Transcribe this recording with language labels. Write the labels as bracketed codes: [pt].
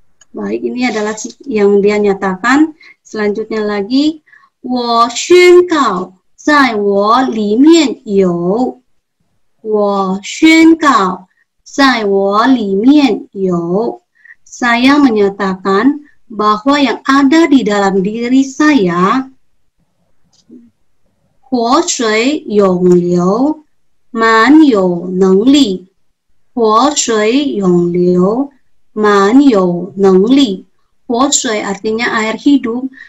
[id] Baik, ini adalah yang dia nyatakan. Selanjutnya lagi, [zh] 我宣告在我里面有。我宣告在我里面有。 [id] Saya menyatakan bahwa yang ada di dalam diri saya, [zh] 活水涌流，蛮有能力。活水涌流。蛮有能力. [id] Water artinya air hidup.